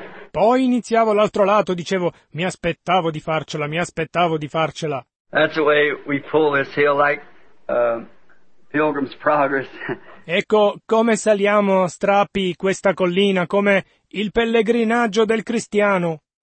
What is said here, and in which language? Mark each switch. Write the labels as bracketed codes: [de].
[it] Poi iniziavo l'altro lato, dicevo, mi aspettavo di farcela, mi aspettavo di farcela. [en] That's the way we pull this hill like Pilgrim's Progress. [it] Ecco come saliamo a strappi questa collina, come il pellegrinaggio del cristiano.